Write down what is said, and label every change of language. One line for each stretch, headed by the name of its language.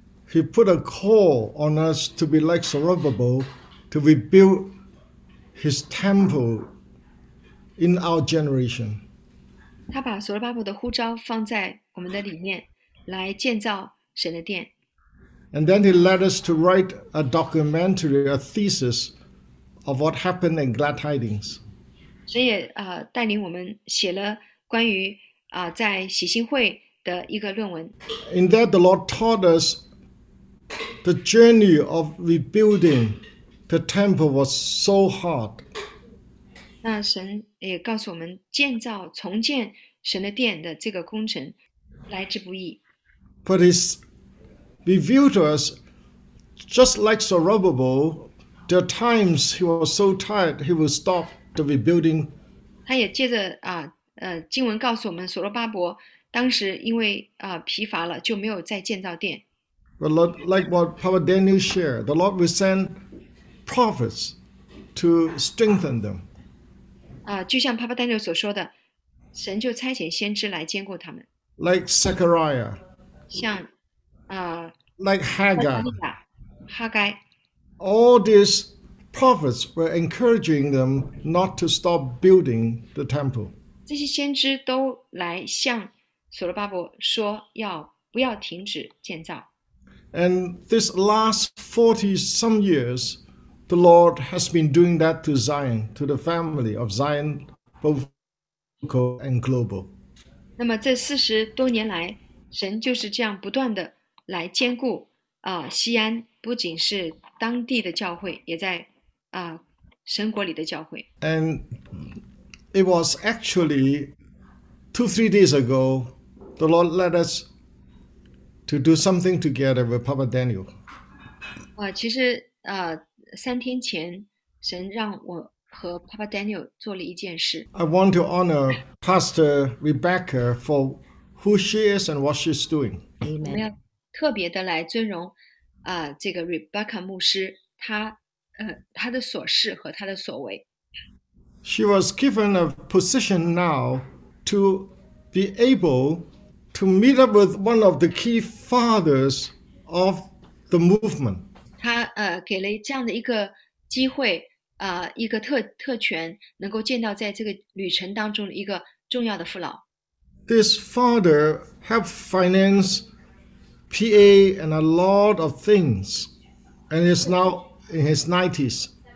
English: He put a call on us to be like Zerubbabel, to rebuild his temple in our generation.
Chinese: 他把所罗巴伯的呼召放在我们的里面，来建造神的殿。
English: And then he led us to write a documentary, a thesis of what happened in Glad Tidings.
Chinese: 神也带领我们写了关于在喜信会的一个论文。
English: In that, the Lord taught us. The journey of rebuilding the temple was so hard.
Chinese: 那神也告诉我们，建造重建神的殿的这个工程来之不易。
English: But it's revealed to us, just like Zerubbabel, there are times he was so tired he would stop the rebuilding.
Chinese: 他也接着经文告诉我们，所罗巴伯当时因为疲乏了，就没有再建造殿。
English: But like what Papa Daniel shared, the Lord will send prophets to strengthen them.
Chinese: 就像 Papa Daniel 所说的，神就差遣先知来坚固他们。
English: Like Zechariah.
Chinese: 像
English: Like Haggai.
Chinese: Haggai.
English: All these prophets were encouraging them not to stop building the temple.
Chinese: 这些先知都来向所罗巴伯说要不要停止建造。
English: And this last 40 some years, the Lord has been doing that to Zion, to the family of Zion, both local and global.
Chinese: 那么这四十多年来，神就是这样不断的来坚固西安，不仅是当地的教会，也在神国里的教会。
English: And it was actually 2-3 days ago, the Lord led us to do something together with Papa Daniel.
Chinese: 其实三天前，神让我和 Papa Daniel 做了一件事。
English: I want to honor Pastor Rebecca for who she is and what she's doing.
Chinese: 我要特别的来尊荣这个 Rebecca 牧师，她的所事和她的所为。
English: She was given a position now to be able to meet up with one of the key fathers of the movement.
Chinese: 她给了这样的一个机会一个特权，能够见到在这个旅程当中一个重要的父老。
English: This father helped finance PA and a lot of things, and is now in his 90s.